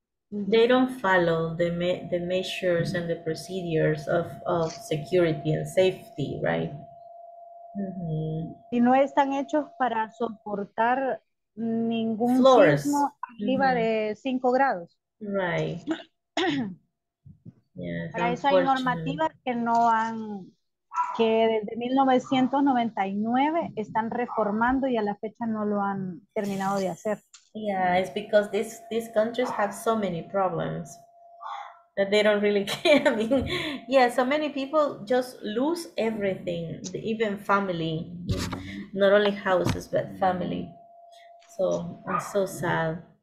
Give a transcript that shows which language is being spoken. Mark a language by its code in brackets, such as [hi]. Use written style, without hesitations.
[en] they don't follow the measures and the procedures of security and safety, right? Mm-hmm. [es] Y no están hechos para soportar ningún sismo arriba mm-hmm. de 5 grados. [en] Right. [es] Para yes, esa normativa que no han, que desde 1999 están reformando y a la fecha no lo han terminado de hacer. [en] Yeah, it's because these countries have so many problems that they don't really care. I mean, yeah, so many people just lose everything, even family, not only houses, but family. So it's so sad.